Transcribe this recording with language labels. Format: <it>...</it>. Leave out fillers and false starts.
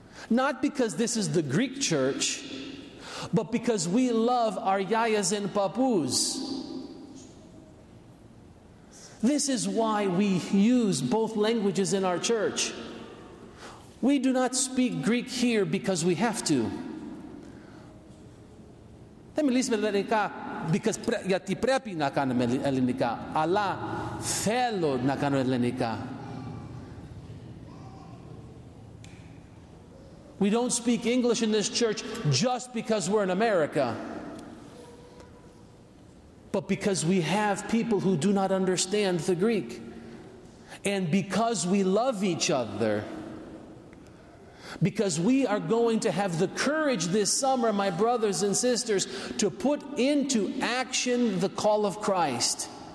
<en>Not because this is the Greek church, but because we love our yayas and papus. This is why we use both languages in our church. We do not speak Greek here because we have to.</en> <el>Δεν μιλήσουμε ελληνικά γιατί πρέπει να κάνουμε ελληνικά, αλλά θέλω να κάνω ελληνικά.</el> <en>We don't speak English in this church just because we're in America, but because we have people who do not understand the Greek. And because we love each other, because we are going to have the courage this summer, my brothers and sisters, to put into action the call of Christ.</en>